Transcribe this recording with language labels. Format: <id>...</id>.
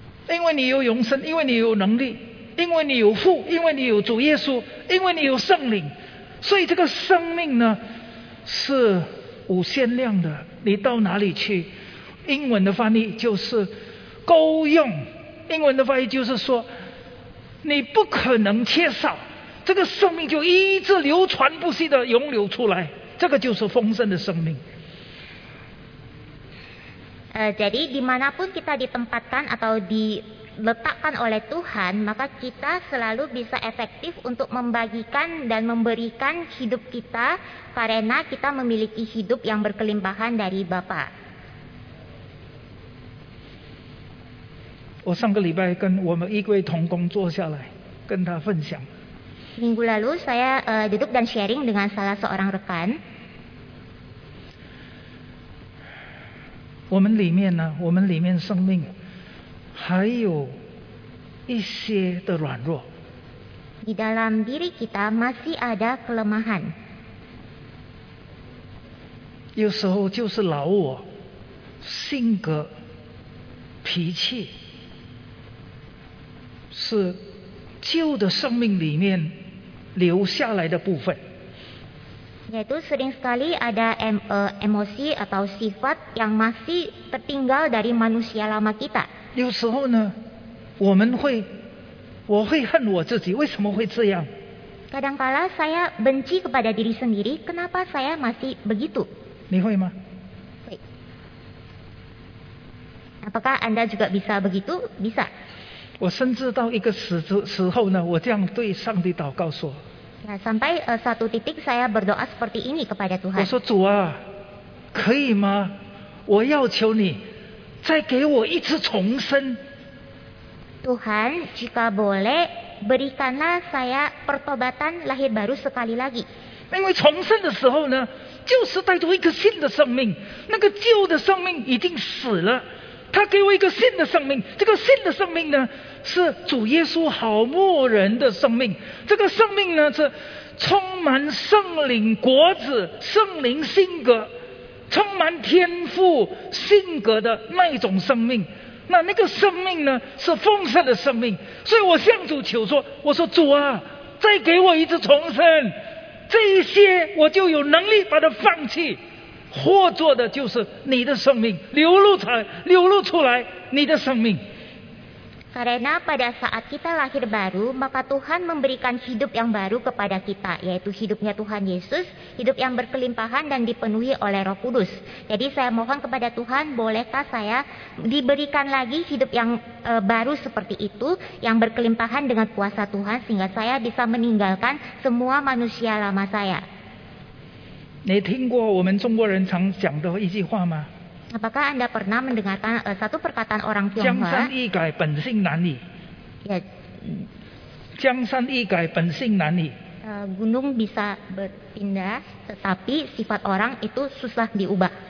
<zh>因为你有永生, 因为你有能力, 因为你有父, 因为你有主耶稣, 因为你有圣灵, 所以这个生命呢, 是无限量的, 你到哪里去, 英文的翻译就是够用, 英文的翻译就是说, 你不可能缺少, 这个生命就一直流传不息地涌流出来, 这个就是丰盛的生命。</zh> <id>Jadi dimanapun kita ditempatkan atau diletakkan oleh Tuhan, maka kita selalu bisa efektif untuk membagikan dan memberikan hidup kita, karena kita memiliki hidup yang berkelimpahan dari Bapa.</id> <zh>我上个礼拜跟我们一位同工坐下来跟他分享。</zh> <id>Minggu lalu saya duduk dan sharing dengan salah seorang rekan.</id> <zh>我们里面呢, 我们里面生命 还有一些的软弱。</zh> <id>Di dalam diri kita masih ada kelemahan.</id> <zh>有时候就是老我, 性格, 脾气, 是旧的生命里面留下来的部分。</zh> <id>Yaitu sering sekali ada emosi atau sifat yang masih tertinggal dari manusia lama kita.</id> <zh>有时候呢, 我会恨我自己,为什么会这样?</zh> <id>Kadangkala saya benci kepada diri sendiri, kenapa saya masih begitu?</id> <zh>你会吗?</zh> <id>Apakah Anda juga bisa begitu? Bisa.</id> <zh>我甚至到一个时候呢, 我这样对上帝祷告说,</zh> <id>sampai satu titik saya berdoa seperti ini kepada Tuhan.</id> <zh>我说主啊, 可以吗? 我要求你, 再给我一次重生。</zh> <id>Tuhan, jika boleh, berikanlah saya pertobatan lahir baru sekali lagi.</id> <zh>因为重生的时候呢, 就是带着一个新的生命, 那个旧的生命已经死了, 他给我一个新的生命, 这个新的生命呢, 是主耶稣好牧人的生命, 这个生命呢, 是 充满圣灵果子, 圣灵性格, 充满天父性格的那一种生命, 那个生命呢, 是丰盛的生命, 所以我向主求说, 我说主啊, 再给我一次重生, 这一些我就有能力把它放弃, 或做的就是你的生命, 流露出来, 你的生命。</zh> <id>Karena pada saat kita lahir baru, maka Tuhan memberikan hidup yang baru kepada kita, yaitu hidupnya Tuhan Yesus, hidup yang berkelimpahan dan dipenuhi oleh Roh Kudus. Jadi saya mohon kepada Tuhan, bolehkah saya diberikan lagi hidup yang baru seperti itu, yang berkelimpahan dengan kuasa Tuhan, sehingga saya bisa meninggalkan semua manusia lama saya.</id> <zh>你听过我们中国人常讲的一句话吗？</zh> <id>Apakah Anda pernah mendengarkan satu perkataan orang Tionghoa?</id> <zh>江山易改本性难移.</zh> <id>Ya.</id> <zh>江山易改本性难移.</zh> <id>Gunung bisa berpindah, tetapi sifat orang itu susah diubah.</id>